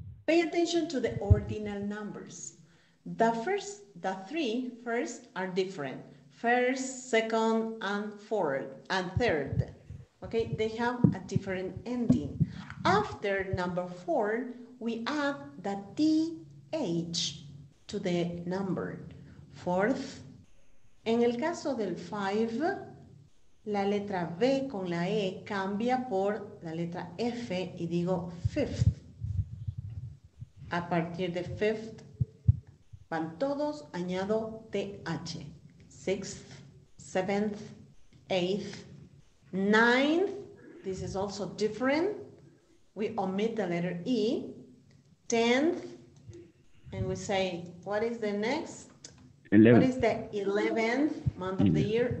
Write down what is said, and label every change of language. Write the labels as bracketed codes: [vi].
[en] Pay attention to the ordinal numbers. The three first are different. First, second, and fourth, and third. Okay, they have a different ending. After number four, we add the TH to the number. [es] Fourth, en el caso del five, la letra B con la E cambia por la letra F y digo fifth. A partir de fifth, van todos, añado TH. [en] Sixth, seventh, eighth, ninth, this is also different. We omit the letter E. Tenth, and we say, what is the next? 11. What is the 11th month of the year?